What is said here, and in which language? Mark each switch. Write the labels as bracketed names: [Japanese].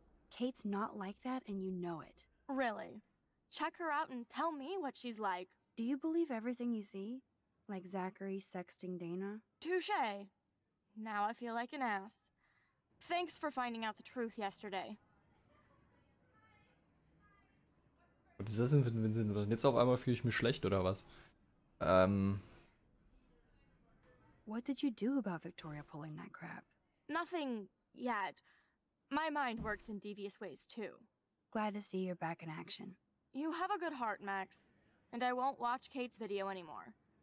[English] Kate's not like that, and you know it. Really? Check her out and tell me what she's like. Do you believe everything you see? Like Zachary sexting Dana? Touché. Now I feel like an ass. Thanks for finding out the truth yesterday. [German] Was ist das denn für ein Sinn? Jetzt auf einmal fühle ich mich schlecht, oder was? [English] What did you do about Victoria pulling that crap? Nothing yet. My mind works in devious ways, too. Glad to see you're back in action. You have a good heart, Max. And I won't watch Kate's video anymore.